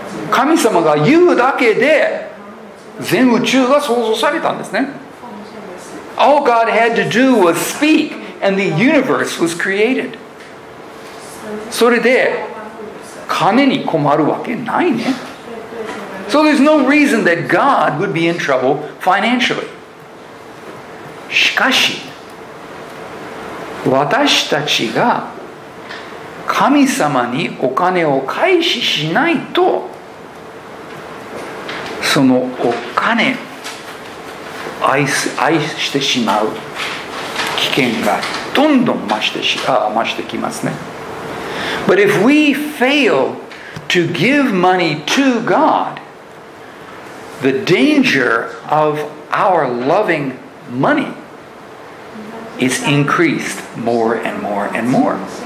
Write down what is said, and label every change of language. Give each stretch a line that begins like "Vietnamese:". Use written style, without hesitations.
Japanese: 神様が言うだけで全宇宙が創造されたんですね。
English: All God had to do was speakAnd the universe was created.
Japanese: それで金に困るわけないね。
English: So there's no reason that God would be in trouble financially.
Japanese: しかし、私たちが神様にお金を返ししないと、そのお金愛してしまう危険がどんどん増してきますね。
English: But if we fail to give money to God, the danger of our loving money is increased more and more and more.